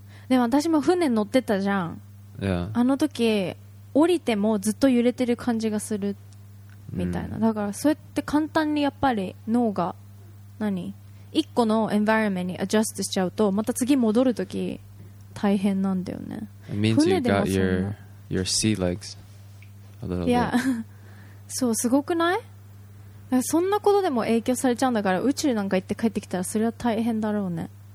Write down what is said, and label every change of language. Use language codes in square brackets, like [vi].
[ja] でも私も船乗ってたじゃん、 [en] yeah. [ja] あの時降りてもずっと揺れてる感じがするみたいな、mm. だからそうやって簡単にやっぱり脳が何一個のエンバイロメントにアジャストしちゃうとまた次戻るとき大変なんだよね。 [en] It means you got your sea legs a little bit. [ja] Yeah. そうすごくない？そんなことでも影響されちゃうんだから宇宙なんか行って帰ってきたらそれは大変だろうね。